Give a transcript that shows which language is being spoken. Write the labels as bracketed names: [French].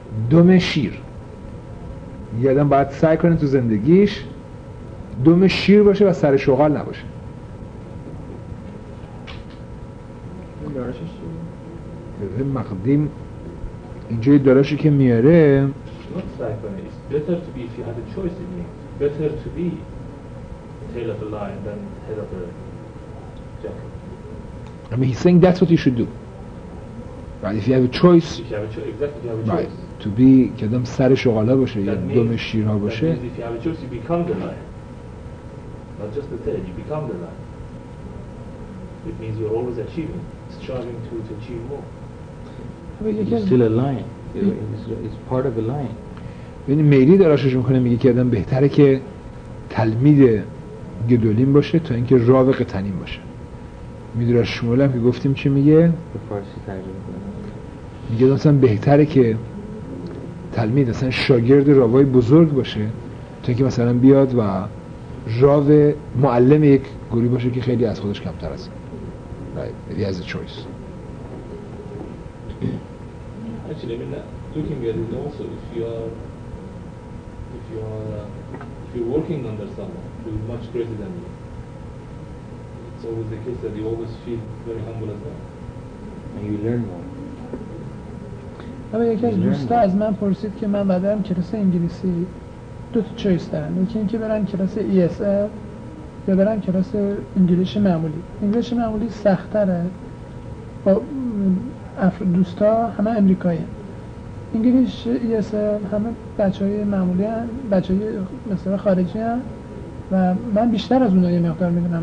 [Persian] دم شیر، یه آدم باید سعی کنه تو زندگیش دم شیر باشه و سر شغال نباشه. دارشش مقدیم اینجا یه دارشی که میاره [English] better to be if you had a choice in me better to be tail of the lion than head of the jackal. I mean, he's saying that's what you should do. Right? If you have a choice, if you have a choice, [Persian] to be kadam sar shughala boshe ya dom shira boshe. [English] If you have a choice, you become the lion, not just the tail. You become the lion. It means you're always achieving, striving to achieve more. You're still a lion. It's part of a lion. [Persian] When Meiri darashesh mikone migi kadam behtare ke talmid gedolim boshe to inke rav qatanim boshe. میدونه شمول هم که گفتیم چی میگه؟ به فارسی ترجمه میگه مثلا بهتره که تلمید مثلا شاگرد راوای بزرگ باشه تا اینکه مثلا بیاد و راو معلم یک گوری باشه که خیلی از خودش کمتر است. [English] Right, he has a choice. Actually, I mean, looking at it also, if you're working under someone who is much greater than you, it's always the case that you always feel very humble as well. And you learn more. [Persian] اما یکی از دوستا از من پرسید که من بعدم کلاس انگلیسی دو تا چویس دارم، یکی اینکه برن کلاس ESL یا برن کلاس انگلیسی معمولی. انگلیسی معمولی سخت‌تره، با دوستا همه امریکایی، انگلیسی ESL همه بچه‌های معمولی هستن، بچه‌های مثلا خارجی هستن و من بیشتر از اونها یه مقدار میدونم.